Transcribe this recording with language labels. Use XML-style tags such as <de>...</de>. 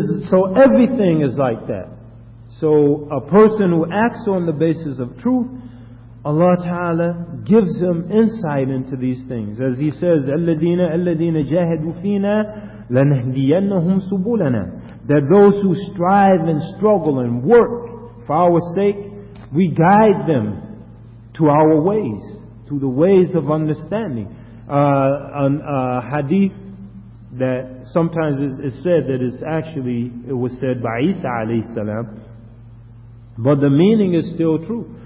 <en>So everything is like that. So a person who acts on the basis of truth, Allah Ta'ala gives them insight into these things. As he says,</en> <ar>الَّذِينَ جَاهَدُوا فِينَا لَنَهْدِيَنَّهُمْ سُبُولَنَا.</ar> <en>That those who strive and struggle and work for our sake, we guide them to our ways. To the ways of understanding. Hadith that sometimes is said that it was said by Isa alayhi salam, but the meaning is still true.</en>